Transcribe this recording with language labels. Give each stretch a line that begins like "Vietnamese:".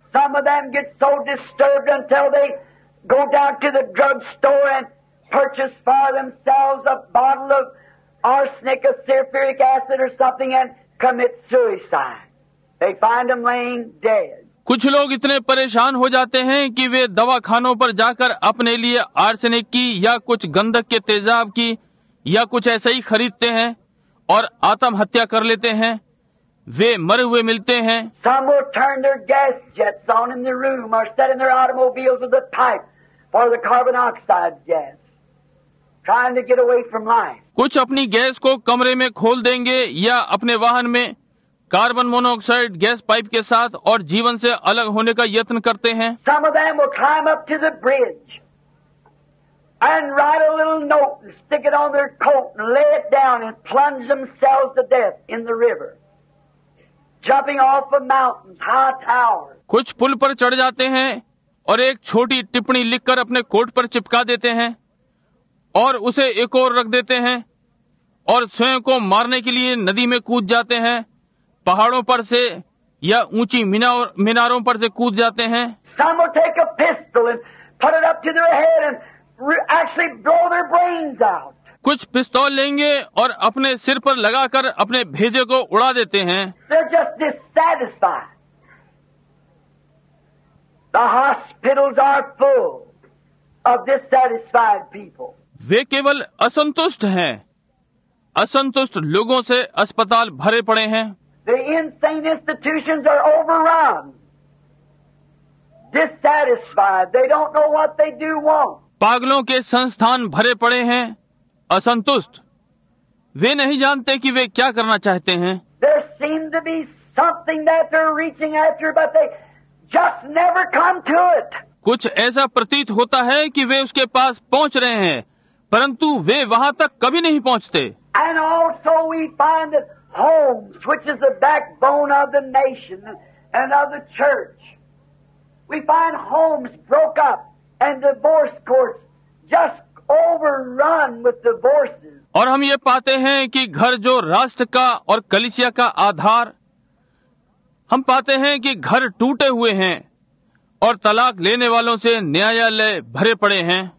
English: Some of them get so disturbed until they go down to the drug store and purchase for themselves a bottle of arsenic or sulfuric acid or something and commit suicide. They find them laying dead.
Hindi: कुछ लोग इतने परेशान हो जाते हैं कि वे दवा खानों पर जाकर अपने लिए आर्सेनिक की या कुछ गंधक के तेजाब की या कुछ ऐसा ही खरीदते हैं और आत्महत्या कर लेते हैं, वे मरे हुए मिलते हैं।
English: Some will turn their gas jets on in their room or set in their automobiles with a pipe for the carbon oxide gas, trying to get away from life.
Hindi: कुछ अपनी गैस को कमरे में खोल देंगे या अपने वाहन में कार्बन मोनोऑक्साइड गैस पाइप के साथ और जीवन से अलग होने का यत्न करते हैं।
English: Some of them will climb up to the bridge and write a little note and stick it on their coat and lay it down and plunge themselves to death in the river. Jumping off a mountain, high tower.
Hindi: कुछ पुल पर चढ़ जाते हैं और एक छोटी टिप्पणी लिखकर अपने कोट पर चिपका देते हैं और उसे एक और रख देते हैं और स्वयं को मारने के लिए नदी में कूद जाते हैं, पहाड़ों पर से या ऊंची मीनारों पर से कूद जाते हैं।
English: Some will take a pistol and put it up to their head and actually blow their brains out.
Hindi: कुछ पिस्तौल लेंगे और अपने सिर पर लगाकर अपने भेजे को उड़ा देते हैं।
English: They're just dissatisfied. The hospitals are full of dissatisfied people.
Hindi: वे केवल असंतुष्ट हैं, असंतुष्ट लोगों से अस्पताल भरे पड़े हैं।
English: The insane institutions are overrun. Dissatisfied. They don't know what they do want.
Hindi: पागलों के संस्थान भरे पड़े हैं, असंतुष्ट, वे नहीं जानते कि वे क्या करना चाहते हैं।
English: There seems to be something that they're reaching after, but they just never come to it.
Hindi: कुछ ऐसा प्रतीत होता है कि वे उसके पास पहुंच रहे हैं, परंतु वे वहां तक कभी नहीं पहुंचते।
English: And also we find that homes, which is the backbone of the nation and of the church, we find homes broke up and divorce courts just overrun with divorces.
Hindi: और हम ये पाते हैं कि घर जो राष्ट्र का और कलीसिया का आधार, हम पाते हैं कि घर टूटे हुए हैं और तलाक लेने वालों से न्यायालय भरे पड़े हैं।